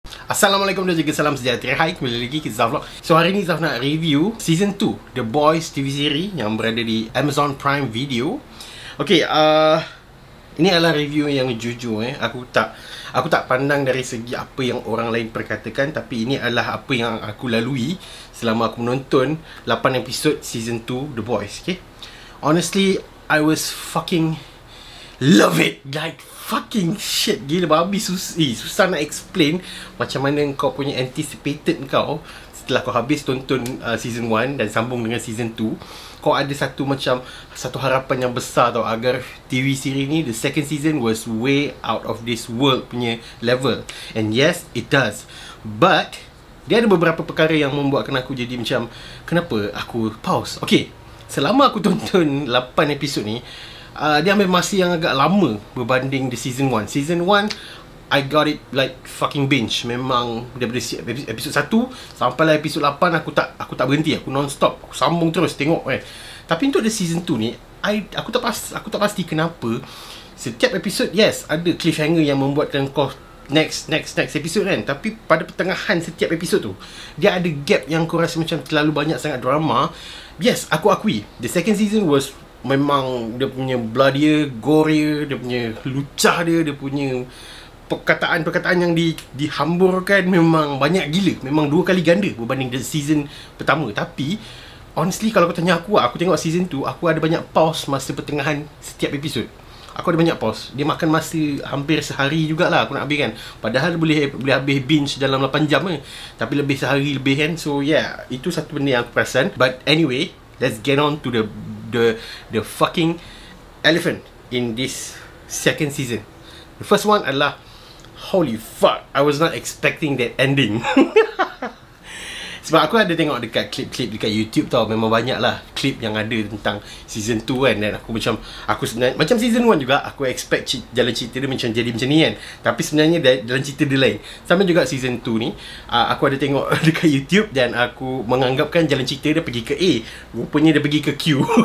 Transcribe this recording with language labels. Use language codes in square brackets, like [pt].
[ms] Assalamualaikum dan juga salam sejahtera. Hai, kembali lagi ke Zavlog. So, hari ni Zav nak review Season 2 The Boys TV series yang berada di Amazon Prime Video. Okay, ini adalah review yang jujur . Aku tak pandang dari segi apa yang orang lain perkatakan, tapi ini adalah apa yang aku lalui selama aku menonton 8 episod Season 2 The Boys. Okay. [en] Honestly, I was fucking love it. Like fucking shit. [ms] Gila babi, susah nak explain macam mana kau punya anticipated kau setelah kau habis tonton season 1 dan sambung dengan season 2. Kau ada satu macam satu harapan yang besar tau agar TV series ni, [en] the second season, was way out of this world [ms] punya level. [en] And yes, it does. [ms] But dia ada beberapa perkara yang membuatkan aku jadi macam, kenapa aku pause? Okay. Selama aku tonton 8 episod ni, dia ambil masa yang agak lama berbanding the season 1. [en] Season 1, I got it like fucking binge. [ms] Memang daripada episod 1 sampai lah episod 8, aku tak berhenti. Aku non-stop. Aku sambung terus tengok . Tapi untuk the season 2 ni, aku tak pasti kenapa setiap episod, yes, ada cliffhanger yang membuatkan kau next episode kan, tapi pada pertengahan setiap episode tu dia ada gap yang aku rasa macam terlalu banyak sangat drama. Yes, aku akui [en] the second season was [ms] memang dia punya bloodier, gorier, dia punya lucah, dia punya perkataan-perkataan yang dihamburkan memang banyak gila, memang dua kali ganda berbanding the season pertama. Tapi honestly, kalau kau tanya aku, aku tengok season tu, aku ada banyak pause masa pertengahan setiap episode. Aku ada banyak pause. Dia makan masa hampir sehari jugalah aku nak habis kan. Padahal boleh habis binge dalam 8 jam . Tapi lebih sehari lebih kan. So yeah, itu satu benda yang aku perasan. [en] But anyway, let's get on to the fucking elephant in this second season. The first one [ms] adalah, [en] holy fuck, I was not expecting that ending. [ms] Sebab aku ada tengok dekat klip-klip dekat YouTube tau, memang banyak lah klip yang ada tentang season 2 kan. Dan aku macam, aku sebenarnya macam season 1 juga, aku expect jalan cerita dia macam jadi macam ni kan. Tapi sebenarnya dalam cerita dia lain. Sama juga season 2 ni, aku ada tengok dekat YouTube dan aku menganggapkan jalan cerita dia pergi ke A, rupanya dia pergi ke Q.